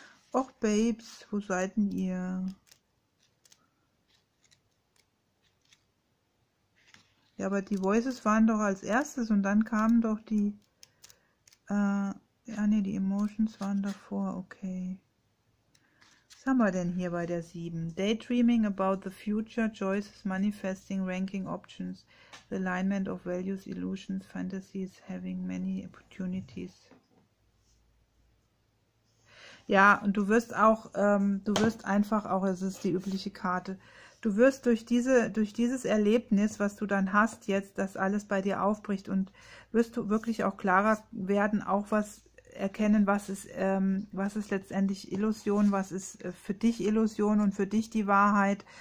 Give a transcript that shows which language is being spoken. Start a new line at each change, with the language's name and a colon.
German: Och, Babes, wo seid denn ihr? Ja, aber die Voices waren doch als erstes und dann kamen doch die Emotions waren davor, okay. Was haben wir denn hier bei der 7?
English: Daydreaming about the future, choices, manifesting, ranking options, alignment of values, illusions, fantasies, having many opportunities.
German: Ja, und du wirst einfach auch, es ist die übliche Karte. Du wirst durch dieses Erlebnis, was du dann hast jetzt, dass alles bei dir aufbricht und wirst du wirklich auch klarer werden, auch was erkennen, was ist letztendlich Illusion, was ist für dich Illusion und für dich die Wahrheit.